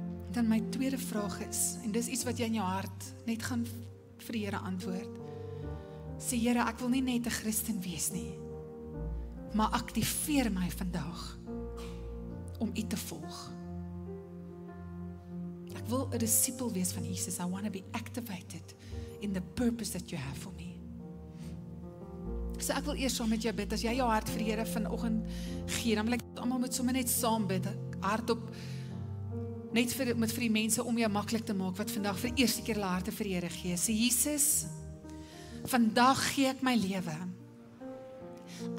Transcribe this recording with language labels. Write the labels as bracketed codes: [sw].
[af] Dan my tweede vraag is, en dis iets wat jy in jou hart net gaan vir die Here antwoord. Sê Here, ek wil nie net 'n Christen wees nie, maar aktiveer my vandag om U te volg. Ek wil 'n disipel wees van Jesus. [en] I want to be activated in the purpose that you have for me. [af] So ek wil eers saam met jou bid, as jy jou hart vir die Here vanoggend gee, dan wil ek almal met sommer net saam bid, hardop, net vir, met vir die mense om jou maklik te maak, wat vandag vir die eerste keer hulle harte vir die Here gee. Sê Jesus, vandag gee ek my lewe.